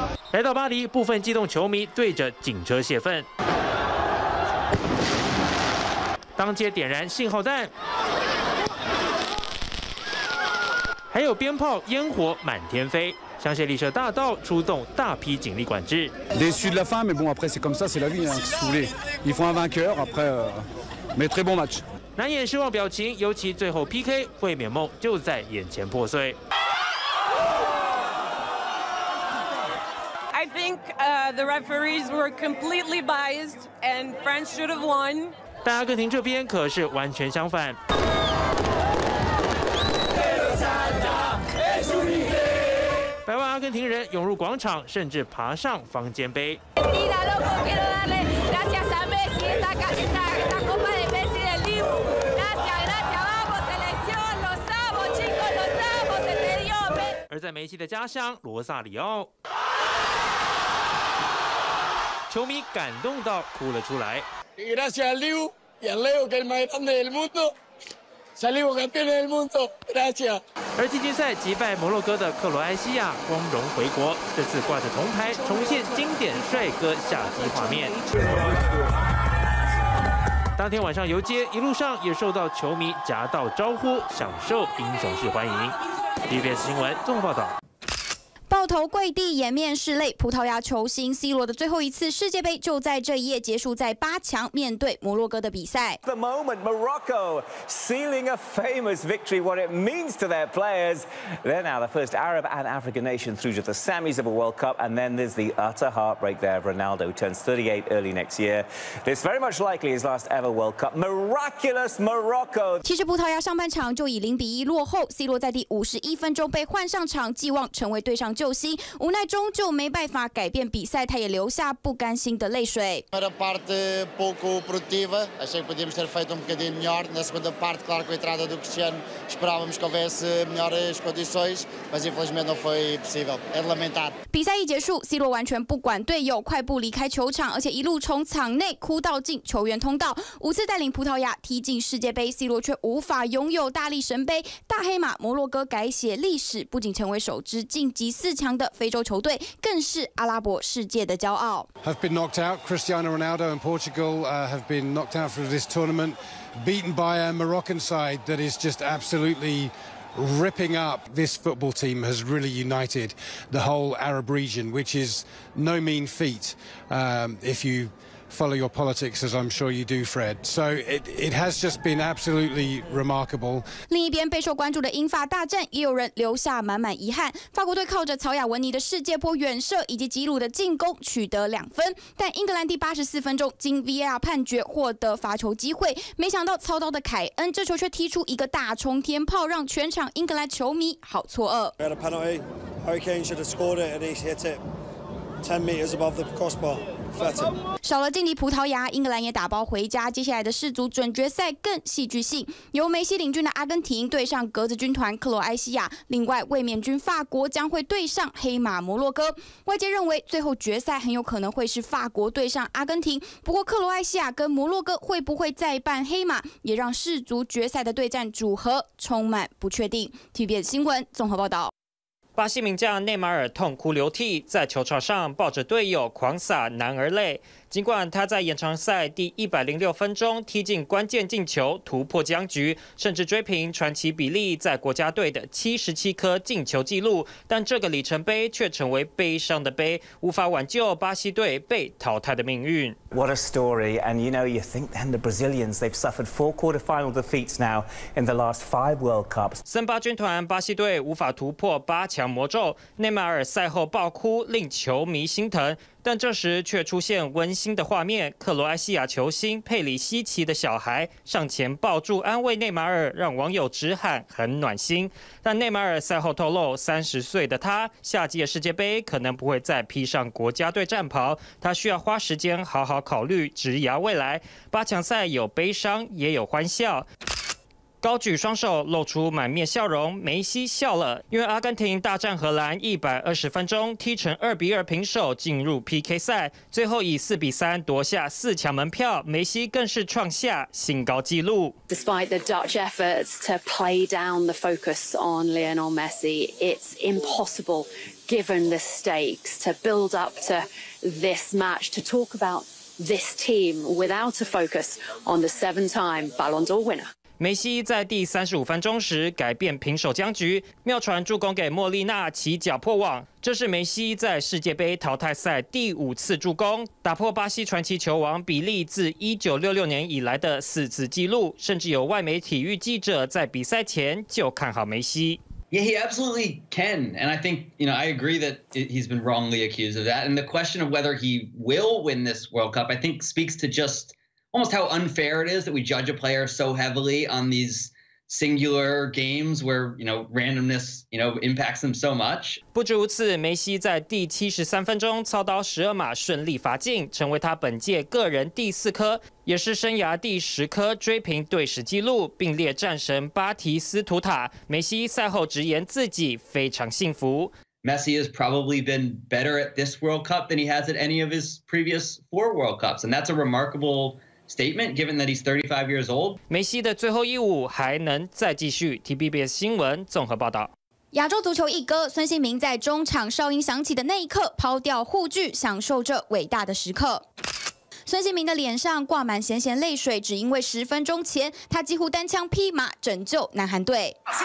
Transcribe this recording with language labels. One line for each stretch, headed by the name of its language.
Chinese: 来到巴黎，部分激动球迷对着警车泄愤，当街点燃信号弹，还有鞭炮烟火满天飞，香榭丽舍大道出动大批警力管制。
French: Déçu de la fin, mais bon, après c'est comme ça, c'est la vie. Si vous voulez, il faut un vainqueur. Après, mais très bon match.
Chinese: 难掩失望表情，尤其最后 PK， 卫冕梦就在眼前破碎。
English: I think a the referees were completely biased and France should have won.
Chinese: 但阿根廷这边可是完全相反。百万阿根廷人涌入广场，甚至爬上房间碑。而在梅西的家乡罗萨里奥，球迷感动到哭了出来。
Spanish: Gracias a Leo y a Leo que es el más grande del mundo, salimos campeones del mundo. Gracias.
Chinese: 而季军赛击败摩洛哥的克罗埃西亚光荣回国，这次挂着铜牌，重现经典帅哥下机画面。当天晚上游街，一路上也受到球迷夹道招呼，享受英雄式欢迎。 TVBS 新闻综合报道。抱头跪地，掩面拭泪，葡萄牙球星 C 罗的最后一次世界杯就在这一夜结束，在八强面对摩洛哥的比赛。
English: The moment Morocco sealing a famous victory, what it means to their players. They're now the first Arab and African nation through to the semis of a World Cup, and then there's the utter heartbreak there of Ronaldo, who turns 38 early next year. This very much likely his last ever World Cup. Miraculous Morocco.
Chinese: 其实葡萄牙上半场就以0-1落后 ，C 罗在第51分钟被换上场，寄望成为队上。救星，无奈中就没办法改变比赛，他也留下不甘心的泪水。
Portuguese: Para a parte pouco produtiva, achei que podíamos ter feito um bocadinho melhor. Na segunda parte, claro, com a entrada do Cristiano, esperávamos que houvesse melhores condições, mas infelizmente não foi possível. É de lamentar.
Chinese: 比赛一结束 ，C 罗完全不管队友，快步离开球场，而且一路从场内哭到进球员通道。五次带领葡萄牙踢进世界杯 ，C 罗却无法拥有大力神杯。大黑马摩洛哥改写历史，不仅成为首支晋级四强的非洲球队，更是阿拉伯世界的骄傲。
English: Have been knocked out. Cristiano Ronaldo and Portugal have been knocked out from this tournament, beaten by a Moroccan side that is just absolutely ripping up. This football team has really united the whole Arab region, which is no mean feat. If you follow your politics, as I'm sure you do, Fred. So it has just been absolutely remarkable.
Chinese: 另一边备受关注的英法大战，也有人留下满满遗憾。法国队靠着乔雅文尼的世界波远射以及吉鲁的进攻取得两分，但英格兰第84分钟经 VAR 判决获得罚球机会，没想到操刀的凯恩这球却踢出一个大冲天炮，让全场英格兰球迷好错愕。
English: We had a penalty. Harry Kane should have scored it, and he hit it 10 meters above the crossbar.
Chinese: 少了劲敌葡萄牙，英格兰也打包回家。接下来的世足准决赛更戏剧性，由梅西领军的阿根廷对上格子军团克罗埃西亚，另外卫冕军法国将会对上黑马摩洛哥。外界认为最后决赛很有可能会是法国对上阿根廷，不过克罗埃西亚跟摩洛哥会不会再扮黑马，也让世足决赛的对战组合充满不确定。 TVBS 新闻综合报道。巴西名将内马尔痛哭流涕，在球场上抱着队友狂洒男儿泪。尽管他在延长赛第106分钟踢进关键进球，突破僵局，甚至追平传奇比利在国家队的77颗进球纪录，但这个里程碑却成为悲伤的杯，无法挽救巴西队被淘汰的命运。
English: What a story! And you know, you think then the Brazilians, they've suffered four quarterfinal defeats now in the last five World Cups.
Chinese: 森巴军团巴西队无法突破八强魔咒，内马尔赛后爆哭，令球迷心疼。但这时却出现温馨的画面，克罗埃西亚球星佩里西奇的小孩上前抱住安慰内马尔，让网友直喊很暖心。但内马尔赛后透露，30岁的他下届世界杯可能不会再披上国家队战袍，他需要花时间好好考虑职涯未来。八强赛有悲伤也有欢笑，高举双手，露出满面笑容，梅西笑了。因为阿根廷大战荷兰120分钟，踢成2-2平手，进入 PK 赛，最后以4-3夺下四强门票，梅西更是创下新高纪录。
English: Despite the Dutch efforts to play down the focus on Lionel Messi, it's impossible, given the stakes, to build up to this match to talk about this team without a focus on the 7-time Ballon d'Or winner.
Chinese: 梅西在第35分钟时改变平手僵局，妙传助攻给莫莉娜起脚破网，这是梅西在世界杯淘汰赛第五次助攻，打破巴西传奇球王比利自1966年以来的4次纪录，甚至有外媒体育记者在比赛前就看好梅西。
English: Yeah, he absolutely can. And I think, you know, I agree that he's been wrongly accused of that. And the question of whether he will win this World Cup, I think, speaks to just almost how unfair it is that we judge a player so heavily on these singular games where, you know, randomness, you know, impacts them so much.
Chinese: 不止如此，梅西在第73分钟操刀12码顺利罚进，成为他本届个人第四颗，也是生涯第十颗追平队史纪录，并列战神巴提斯图塔。梅西赛后直言自己非常幸福。
English: Messi has probably been better at this World Cup than he has at any of his previous four World Cups, and that's a remarkable statement given that he's 35 years old.
Chinese: 梅西的最后一舞还能再继续。 TVBS 新闻综合报道。亚洲足球一哥孙兴民在中场哨音响起的那一刻抛掉护具，享受着伟大的时刻。孙兴民的脸上挂满咸咸泪水，只因为十分钟前他几乎单枪匹马拯救南韩队。